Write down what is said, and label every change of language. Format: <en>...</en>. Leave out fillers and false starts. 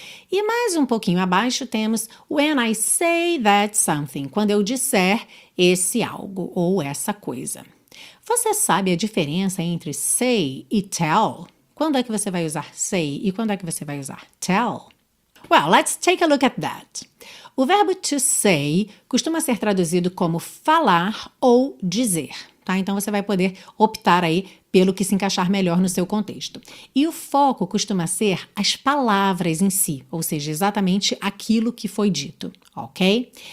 <pt>E mais um pouquinho abaixo temos,</pt> <en>when I say that something,</en> <pt>quando eu disser esse algo ou essa coisa. Você sabe a diferença entre say e tell? Quando é que você vai usar say e quando é que você vai usar tell?</pt> <en>Well, let's take a look at that.</en> <pt>O verbo to say costuma ser traduzido como falar ou dizer, tá? Então você vai poder optar aí pelo que se encaixar melhor no seu contexto. E o foco costuma ser as palavras em si, ou seja, exatamente aquilo que foi dito, ok?</pt>